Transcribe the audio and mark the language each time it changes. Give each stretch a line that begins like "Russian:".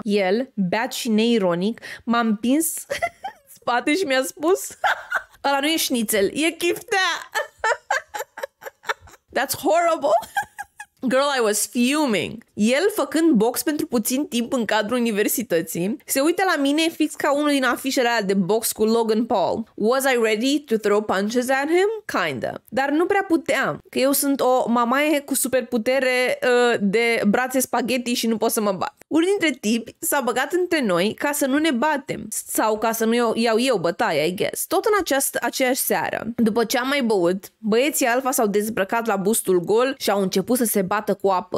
Romanian: El, beat și neironic, m-a împins în spate și mi-a spus... Ăla nu e șnițel, e chiftea!
English: That's horrible! Girl, I was fuming!
Romanian: El, făcând box pentru puțin timp în cadrul universității, se uită la mine fix ca unul din afișele alea de box cu Logan Paul.
English: Was I ready to throw punches at him? Kinda.
Romanian: Dar nu prea puteam, că eu sunt o mamaie cu superputere de brațe spaghetti și nu pot să mă bat. Unul dintre tipi s-a băgat între noi ca să nu ne batem sau ca să nu iau eu bătaia,
English: I guess.
Romanian: Tot în aceeași seară, după ce am mai băut, băieții Alfa s-au dezbrăcat la bustul gol și au început să se bată cu apă.